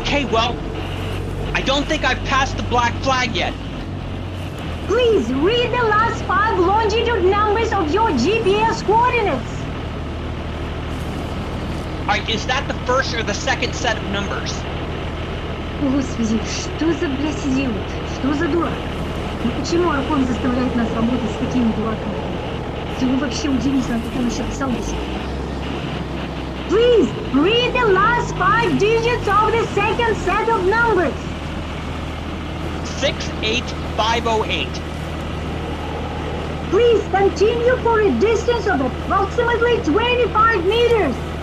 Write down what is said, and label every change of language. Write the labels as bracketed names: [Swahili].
[English] Okay, well, I don't think I've passed the black flag yet. Please read the last five longitude numbers of your GPS coordinates. All right, is that the first or the second set of numbers? [Russian] Господи, что за блядь идиот? Что за дурак? Ну почему Архон заставляет нас работать с такими дураками? Всего вообще удивительно, как он еще писал до сих пор. [English] Please read the last five digits of the second set of numbers. 68508. Please continue for a distance of approximately 25 meters.